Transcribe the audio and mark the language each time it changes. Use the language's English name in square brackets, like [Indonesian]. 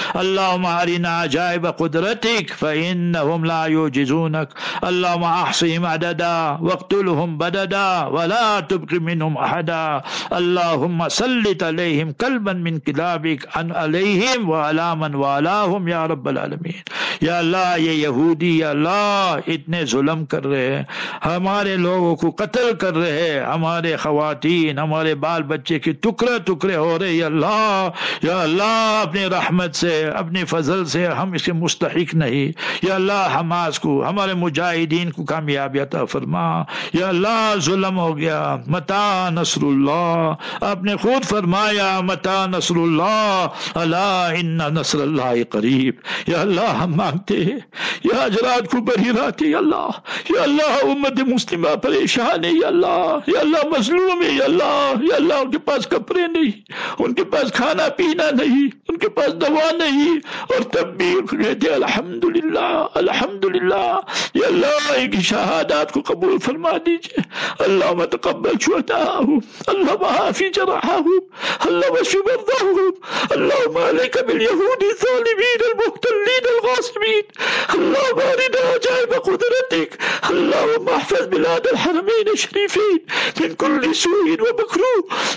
[Arabic] اللهم أرنا عجائب قدرتك فإنهم لا يوجزونك. اللهم أحصهم عددا واقتلهم بددا ولا تبقي منهم أحدا. اللهم سلط عليهم كلبا من كلابك أن عليهم وعلى من والاهم يا رب العالمين. [Urdu] يا الله يا يهودي يا الله اتنے ظلم کر رہے ہیں ہمارے لوگوں کو قتل کر رہے ہیں ہمارے خواتین ہمارے بال بچے کی ٹکڑے ٹکڑے ہو رہے. یا اللہ اپنے رحمت سے اپنے فضل سے ہم اسے مستحق نہیں. یا اللہ حماس کو ہمارے مجاہدین کو کامیابی عطا فرما. یا اللہ ظلم ہو گیا [Arabic] متا نصر اللہ [Urdu] آپ نے خود فرمایا [Arabic] متا نصر اللہ الا ان نصر اللہ قریب. [Urdu] یا اللہ ہم مانگتے ہیں یا حضرات کو بری رات ہے. یا اللہ امت مسلمہ پریشان ہے. یا اللہ مظلوم ہے. یا اللہ ان کے پاس کپڑے نہیں ان کے پاس کھانا پینا نہیں ان کے پاس دوا نہیں اور تب بھی کہتے الحمدللہ الحمدللہ. یا اللہ ان کی شہادات کو قبول فرما دیجئے. [Arabic] اللهم تقبل شهداءهم اللهم عافي جراحهم اللهم اشف مرضاهم. اللهم عليك باليهود الظالمين المحتلين الغاصبين. اللهم ارنا عجائب قدرتك. اللهم احفظ بلاد الحرمين الشريفين من كل سوء ومكروه.